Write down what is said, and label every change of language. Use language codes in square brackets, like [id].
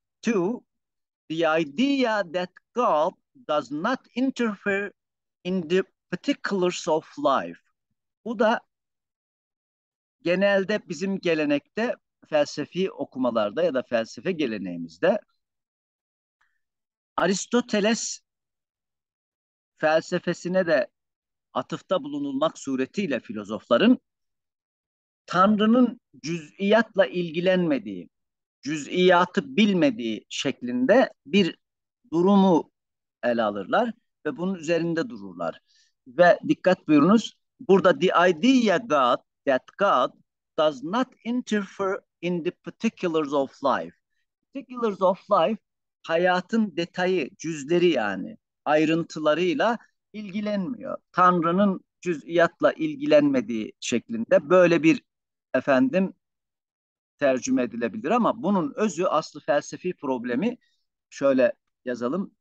[en] Two, the idea that God does not interfere in the particulars of life. [tr] Bu da genelde bizim gelenekte felsefi okumalarda ya da felsefe geleneğimizde Aristoteles felsefesine de atıfta bulunulmak suretiyle filozofların Tanrı'nın cüz'iyatla ilgilenmediği, cüz'iyatı bilmediği şeklinde bir durumu ele alırlar ve bunun üzerinde dururlar. Ve dikkat buyurunuz, burada the idea that God does not interfere in the particulars of life. Particulars of life, hayatın detayı, cüzleri yani ayrıntılarıyla ilgilenmiyor. Tanrı'nın cüz'iyatla ilgilenmediği şeklinde böyle bir efendim tercüme edilebilir ama bunun özü aslı felsefi problemi şöyle yazalım.